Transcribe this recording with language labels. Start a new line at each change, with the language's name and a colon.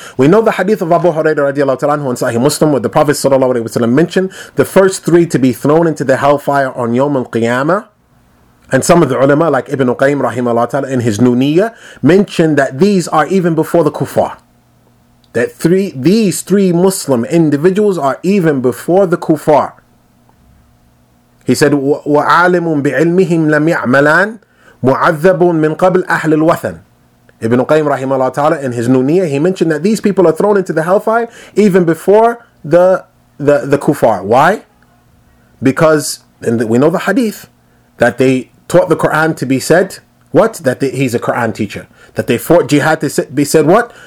English: We know the hadith of Abu Hurairah radiallahu ta'ala anhu in Sahih Muslim, where the Prophet sallallahu alayhi wa sallam mentioned the first three to be thrown into the hellfire on Yawm al-Qiyamah. And some of the ulama, like Ibn Qayyim rahimahullah ta'ala in his Nuniyah, mentioned that these are even before the kuffar. That these three Muslim individuals are even before the kuffar. He said,
Arabic: وَعَالِمٌ بِعِلْمِهِمْ لَمْ يَعْمَلَانْ مُعَذَّبٌ مِنْ قَبْلِ أَهْلِ الْوَثَنِ.
English: Ibn Qayyim rahimahullah ta'ala in his Nuniyah, he mentioned that these people are thrown into the hellfire even before the kuffar. Why? Because we know the hadith that they taught the Quran to be said, what? That he's a Quran teacher. That they fought jihad to be said, what?